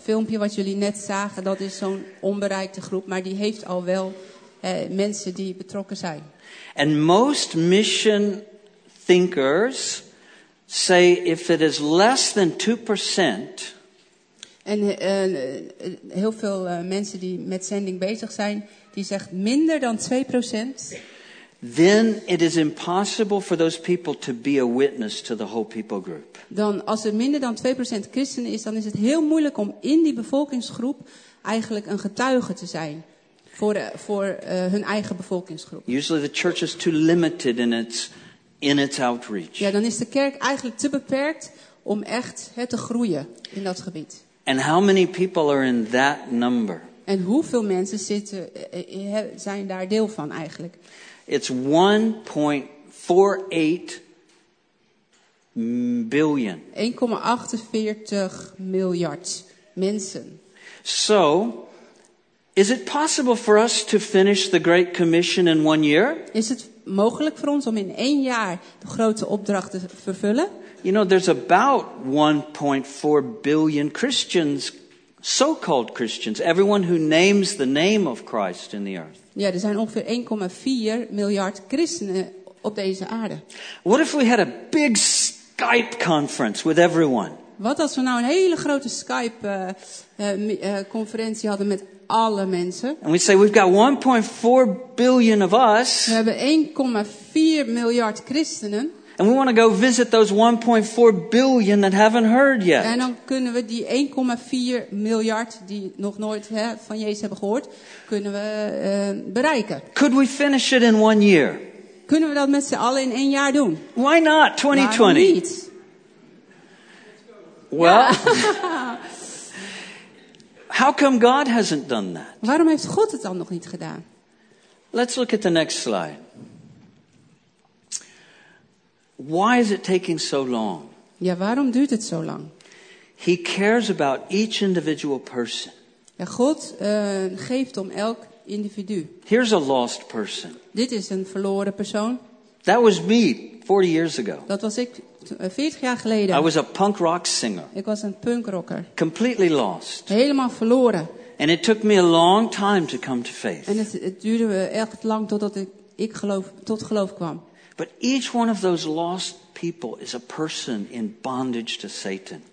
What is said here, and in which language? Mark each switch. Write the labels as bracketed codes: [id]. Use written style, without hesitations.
[nl] Filmpje wat jullie net zagen, dat is zo'n onbereikte groep, maar die heeft al wel mensen die betrokken zijn. [en] And most mission thinkers say if it is less than 2%. [nl] En heel veel mensen die met zending bezig zijn, die zegt minder dan 2%. [en] Then it is impossible for those people to be a witness to the whole people group. [nl] Dan als er minder dan 2% christenen is, dan is het heel moeilijk om in die bevolkingsgroep eigenlijk een getuige te zijn voor hun eigen bevolkingsgroep. [en] Usually the church is too limited in its outreach. [nl] Ja, dan is de kerk eigenlijk te beperkt om echt te groeien in dat gebied. [en] And how many people are in that number? [nl] En hoeveel mensen zijn daar deel van eigenlijk? [en] It's 1.48 billion. [nl] 1,48 miljard mensen. [en] So, is it possible for us to finish the Great Commission in 1 year? [nl] Is het mogelijk voor ons om in 1 jaar de grote opdracht te vervullen? [en] You know, there's about 1.4 billion Christians, so-called Christians, everyone who names the name of Christ in the earth. [nl] Ja, er zijn ongeveer 1,4 miljard christenen op deze aarde. [en] What if we had a big Skype conference with everyone? [nl] Wat als we nou een hele grote Skype conferentie hadden met alle mensen? [en] And we say we've got 1.4 billion of us. [nl] We hebben 1,4 miljard christenen. [en] And we want to go visit those 1.4 billion that haven't heard yet. [nl] En dan kunnen we die 1,4 miljard die nog nooit van Jezus hebben gehoord, kunnen we bereiken. [en] Could we finish it in 1 year? [nl] Kunnen we dat met z'n allen in 1 jaar doen? [en] Why not 2020? [nl] Waarom niet? [en] Well, how come God hasn't done that? [nl] Waarom heeft God het dan nog niet gedaan? [en] Let's look at the next slide. Why is it taking so long? [nl] Ja, waarom duurt het zo lang? [en] He cares about each individual person. [nl] Ja, God geeft om elk individu. [en] Here's a lost person. [nl] Dit is een verloren persoon. [en] That was me 40 years ago. [nl] Dat was ik 40 jaar geleden. [en] I was a punk rock singer. [nl] Ik was een punkrocker. [en] Completely lost. [nl] Helemaal verloren. [en] And it took me a long time to come to faith. [nl] En het duurde echt lang totdat ik tot geloof kwam. [en] But each one of those lost people is a person in bondage to Satan.